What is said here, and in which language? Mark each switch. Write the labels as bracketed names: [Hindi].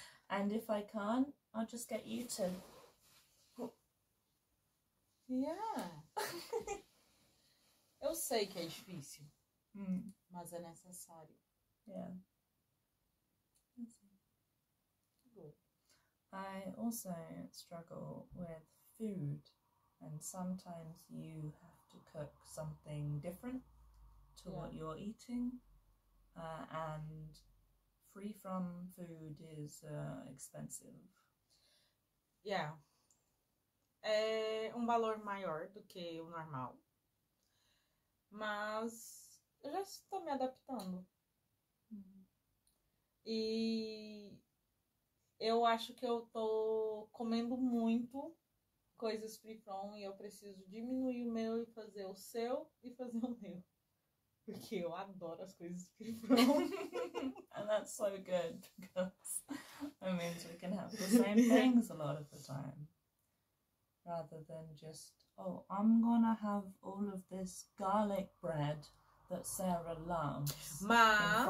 [English] And if I can, I'll just get you to. Yeah. [Portuguese] Eu sei que é difícil, mas é necessário. [English] Yeah. I also struggle with food, and sometimes you have to cook something different to what you're eating, and free from food is expensive. Yeah. [Portuguese] É valor maior do que o normal. Mas eu já estou me adaptando. E eu acho que eu tô comendo muito coisas free-from e eu preciso diminuir o meu e fazer o seu e fazer o meu. Porque eu adoro as coisas free-from. [English] And that's so good because it means we can have the same things a lot of the time rather than just, oh, I'm gonna have all of this garlic bread that Sarah loves in front